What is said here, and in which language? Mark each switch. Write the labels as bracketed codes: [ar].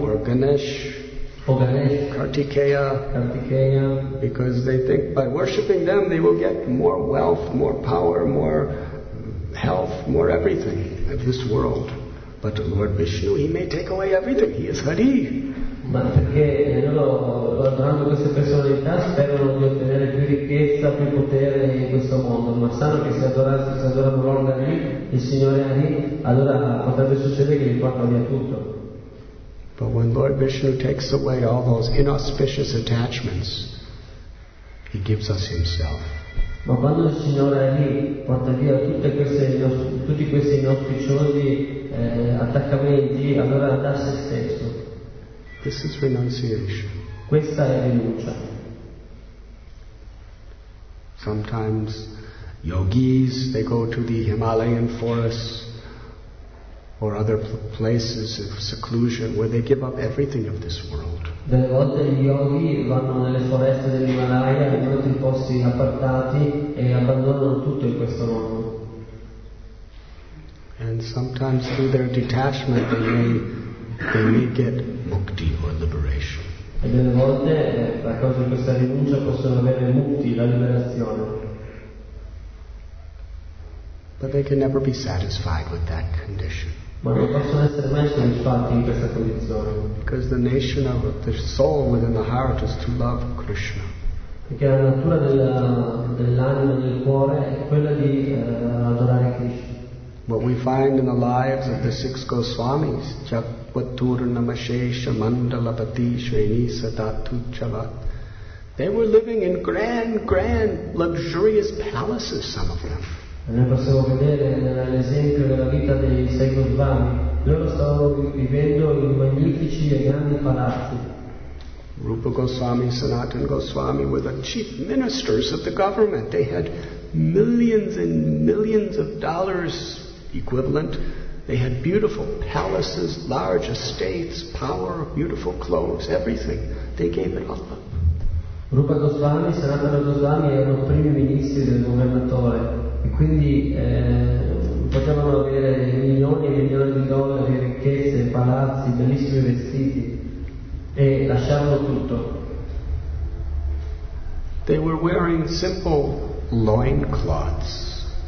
[en] Or Ganesh. Or Ganesh. Kartikeya. Kartikeya. Because they think by worshipping them they will get more wealth, more power, more health, more everything of this world. But Lord Vishnu, he may take away everything. He is Hari. [it] Ma perché loro adorando queste personalità sperano di ottenere più ricchezza, più potere in questo mondo, ma sanno che se adorano Lord Hari, il Signore Hari, allora potrebbe succedere che gli porta via tutto. [en] But when Lord Vishnu takes away all those inauspicious attachments, he gives us himself. [it] Ma quando il Signore Hari porta via tutti questi inauspiciosi attaccamenti, allora dà se stesso. [en] This is renunciation. [it] Questa è rinuncia. [en] Sometimes yogis, they go to the Himalayan forests or other places of seclusion where they give up everything of this world. [it] Delle volte gli yogi vanno nelle foreste dell'Himalaya, vanno in posti appartati e abbandonano tutto in questo mondo. [en] And sometimes through their detachment they may get mukti or liberation. [it] E delle volte a causa di questa rinuncia possono avere mukti, la liberazione. [en] But they can never be satisfied with that condition. [it] Ma non possono essere mai soddisfatti in questa condizione. [en] Because the nature of the soul within the heart is to love Krishna. [it] Perché la natura dell'anima del cuore è quella di adorare Krishna. [en] What we find in the lives of the six Goswamis, [sa] Chakvatur Namashesha Mandalapati Shreni Sadatuchava, [en] they were living in grand, grand, luxurious palaces, some of them. [it] E noi possiamo vedere nell'esempio della vita dei sei Goswami. Loro stavano vivendo in magnifici e grandi palazzi. [en] Rupa Goswami, Sanatan Goswami were the chief ministers of the government. They had millions and millions of dollars equivalent. They had beautiful palaces, large estates, power, beautiful clothes, everything. They gave it all up. [it] Rupa Goswami, Sanatana Goswami erano i primi ministri del governatore, quindi potevano avere milioni e milioni di dollari, ricchezze, palazzi, bellissimi vestiti. e lasciarlo tutto. [en] They were wearing simple loincloths.